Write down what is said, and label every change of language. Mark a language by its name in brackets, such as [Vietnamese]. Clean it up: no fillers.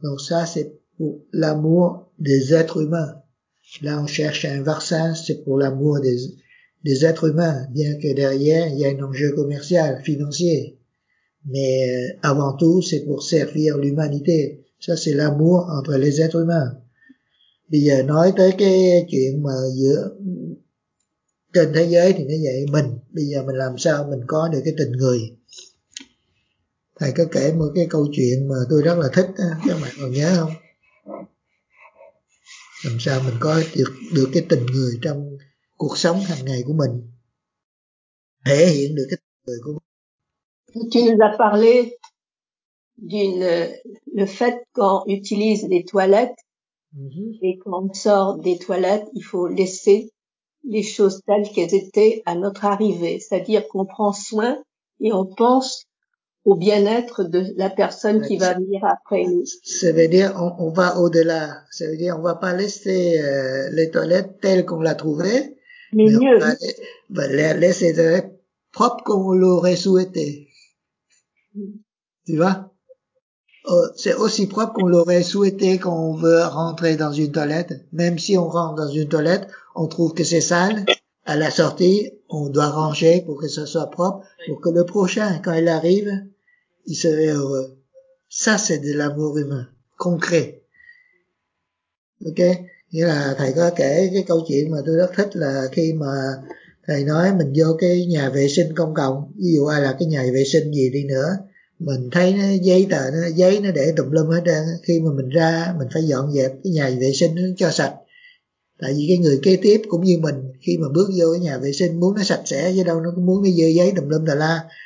[French] Donc ça, c'est pour l'amour des êtres humains. Là, on cherche un vaccin, c'est pour l'amour des êtres humains, bien que derrière il y a un enjeu commercial, financier, mais avant tout c'est pour servir l'humanité, Ça c'est l'amour entre les êtres humains. [Vietnamese] Bây giờ nói tới cái chuyện mà giữa trên thế giới thì nó vậy, mình bây giờ mình làm sao mình có được cái tình người. Thầy có kể một cái câu chuyện mà tôi rất là thích đó, các bạn còn nhớ không? Làm sao mình có được cái tình người trong cuộc sống hàng ngày của mình, thể hiện được cái tình người của mình. [French] Tu nous as parlé d'une le fait qu'on utilise des toilettes et quand on sort des toilettes, il faut laisser les choses telles qu'elles étaient à notre arrivée, c'est-à-dire qu'on prend soin et on pense au bien-être de la personne qui va venir après nous. Ça veut dire on va au-delà. Ça veut dire on va pas laisser les toilettes telles qu'on l'a trouvée, mais mieux. On va laisser les toilettes propres comme on l'aurait souhaité. Tu vois? C'est aussi propre qu'on l'aurait souhaité quand on veut rentrer dans une toilette. Même si on rentre dans une toilette, on trouve que c'est sale. À la sortie, on doit ranger pour que ça soit propre, pour que le prochain, quand il arrive, il serait heureux. Ça, c'est de l'amour humain, concret. Ok? [Vietnamese] Nghĩa là thầy có kể cái câu chuyện mà tôi rất thích là khi mà thầy nói mình vô cái nhà vệ sinh công cộng, ví dụ ai là cái nhà vệ sinh gì đi nữa, mình thấy nó, giấy tờ nó, giấy nó để tùm lum hết trơn, khi mà mình ra mình phải dọn dẹp cái nhà vệ sinh nó cho sạch, tại vì cái người kế tiếp cũng như mình khi mà bước vô cái nhà vệ sinh muốn nó sạch sẽ chứ đâu nó cũng muốn nó dơ giấy tùm lum tà la.